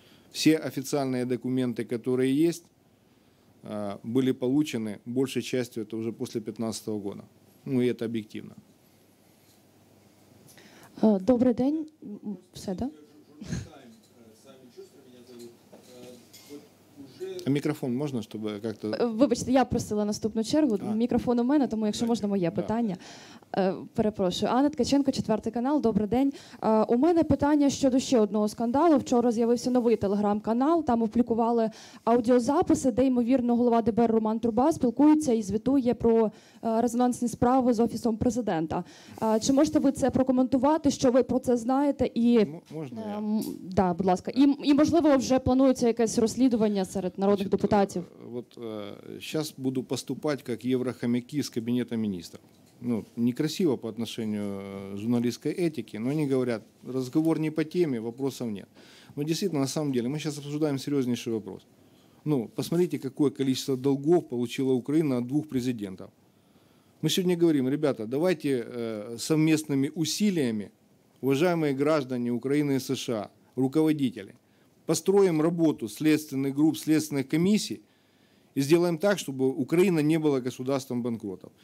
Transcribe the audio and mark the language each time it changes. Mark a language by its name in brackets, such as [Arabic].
[Russian] Все официальные документы, которые есть, были получены большей частью это уже после 2015 года. Ну и это объективно. Добрый день. Все, да? А микрофон можно, чтобы как-то... [Ukrainian] Вибачте, я просила наступну чергу. Мікрофон у мене, тому якщо так, можна, моє питання. Перепрошую. Анна Ткаченко, Четвертий канал. Добрий день. У мене питання щодо ще одного скандалу. Вчора з'явився новий телеграм-канал. Там опублікували аудіозаписи, де, ймовірно, голова ДБР Роман Труба спілкується і звітує про резонансні справи з Офісом Президента. Чи можете ви це прокоментувати, що ви про це знаєте? І... Можна я? Да, будь ласка. І, можливо, вже планується якесь розслідування серед народних депутатів? От зараз буду поступати як єврохомяки з Кабінету міністрів. [Russian] Ну, некрасиво по отношению журналистской этики, но они говорят, разговор не по теме, вопросов нет. Но действительно, на самом деле, мы сейчас обсуждаем серьезнейший вопрос. Ну, посмотрите, какое количество долгов получила Украина от двух президентов. Мы сегодня говорим, ребята, давайте совместными усилиями, уважаемые граждане Украины и США, руководители, построим работу следственных групп, следственных комиссий, и сделаем так, чтобы Украина не была государством банкротов.